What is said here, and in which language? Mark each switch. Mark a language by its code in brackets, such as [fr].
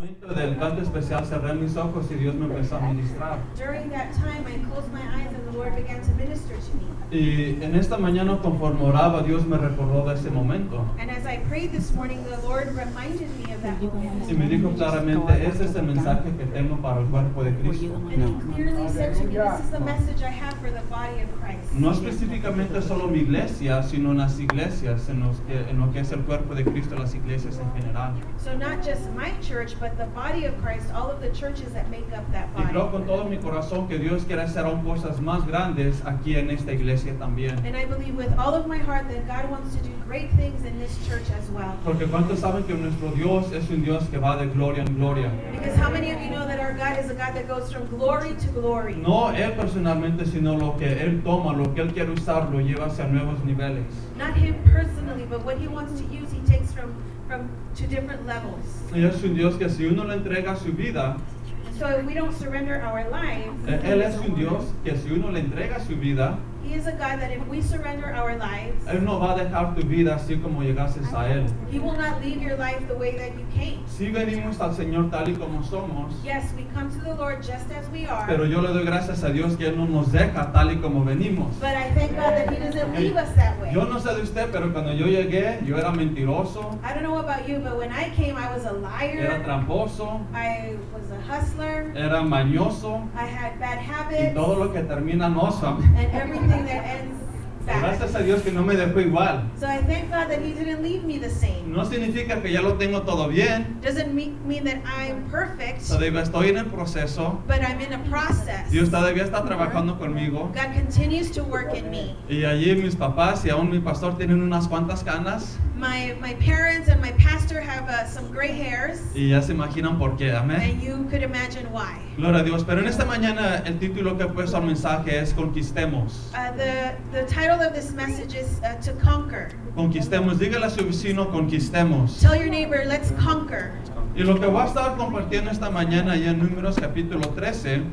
[es] Del canto especial, cerré mis ojos y Dios me empezó a ministrar. [en] During that time, I closed my eyes and the Lord began to minister to me. [es] Y en esta mañana, conforme oraba, Dios me recordó de ese momento. [en] And as I prayed this morning, the Lord reminded me of that moment. [es] Y me dijo claramente, ese es el mensaje que tengo para el cuerpo de Cristo. [en] And he clearly said to me, this is the message I have for the body of Christ. [es] No específicamente solo mi iglesia, sino las iglesias, en lo que es el cuerpo de Cristo, las iglesias en general. [en] So not just my church, but the body of Christ, all of the churches that make up that body. [es] Y creo con todo mi corazón que Dios quiere hacer aún cosas más grandes aquí en esta iglesia también. [en] And I believe with all of my heart that God wants to do great things in this church as well. [es] Porque ¿cuántos saben que nuestro Dios es un Dios que va de gloria en gloria? [en] Because how many of you know that our God is a God that goes from glory to glory? [es] No Él personalmente, sino lo que Él toma, lo que Él quiere usar, lo lleva hacia nuevos niveles. [en] Not Him personally, but what He wants to use, He takes from to different levels. [es] Y es un Dios que si uno le entrega su vida, [en] so if we don't surrender our lives, [es] Él es un Dios que si uno le entrega su vida, [en] He is a God that if we surrender our lives, [es] Él no va a dejar tu vida así como llegases a Él. [en] He will not leave your life the way that you came. [es] Si venimos al Señor tal y como somos, [en] yes, we come to the Lord just as we are. [es] Pero yo le doy gracias a Dios que Él no nos deja tal y como venimos. [en] But I thank God that He doesn't leave us that way. [es] Yo no sé de usted, pero cuando yo llegué, yo era mentiroso. [en] I don't know about you, but when I came, I was a liar. [es] Era tramposo. [en] I was a hustler. [es] Era mañoso. [en] I had bad habits. [es] Y todo lo que termina en oso. [en] And everything that ends back. [es] Gracias a Dios que no me dejó igual. [en] So I thank God that He didn't leave me the same. [es] No significa que ya lo tengo todo bien. [en] Doesn't mean that I'm perfect. [es] Todavía estoy en el proceso. [en] But I'm in a process. [es] Dios todavía está trabajando conmigo. [en] God continues to work in me. [es] Y allí mis papás y aún mi pastor tienen unas cuantas canas. [en] My parents and my pastor have some gray hairs. [es] Y ya se imaginan por qué, amén. [en] And you could imagine why. [es] Gloria a Dios. Pero en esta mañana el título que he puesto al mensaje es Conquistemos. [en] The title of this message is To Conquer. [es] Conquistemos. Dígale a su vecino, conquistemos. [en] Tell your neighbor, let's conquer. [es] Y lo que voy a estar compartiendo esta mañana ya en Números capítulo 13.